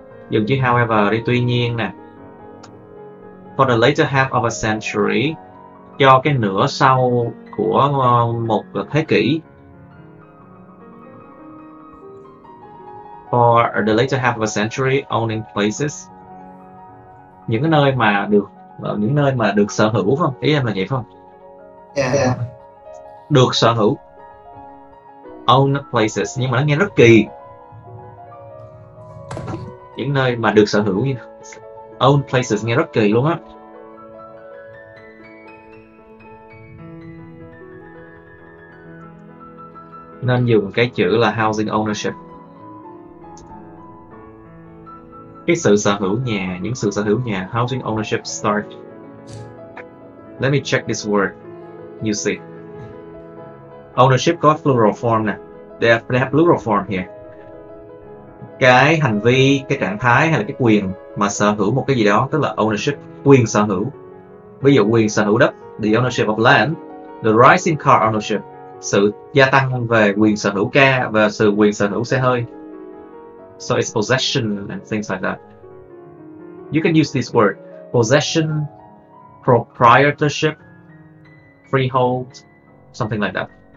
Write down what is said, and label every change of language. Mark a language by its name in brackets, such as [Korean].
[Vietnamese] Dùng chữ however đi, tuy nhiên nè. [English] For the later half of a century, [Vietnamese] cho cái nửa sau của một thế kỷ. [English] For the later half of a century, owning places. [Vietnamese] Những nơi mà được sở hữu, phải không? Ý em là vậy, phải không? [English] Yeah. [Vietnamese] Được sở hữu. Own places, nhưng mà nó nghe rất kỳ. Những nơi mà được sở hữu, own places nghe rất kỳ luôn á. Nên dùng cái chữ là housing ownership. Cái sự sở hữu nhà, những sự sở hữu nhà, housing ownership start. [English] Let me check this word, you see. Ownership có plural form nè, they have plural form here. [Vietnamese] Cái hành vi, cái trạng thái hay là cái quyền mà sở hữu một cái gì đó, tức là ownership, quyền sở hữu. Ví dụ quyền sở hữu đất, [English] the ownership of land, the rise in car ownership, [Vietnamese] sự gia tăng về quyền sở hữu ca và sự quyền sở hữu xe hơi. [English] So it's possession and things like that. You can use this word, possession, proprietorship, freehold, something like that.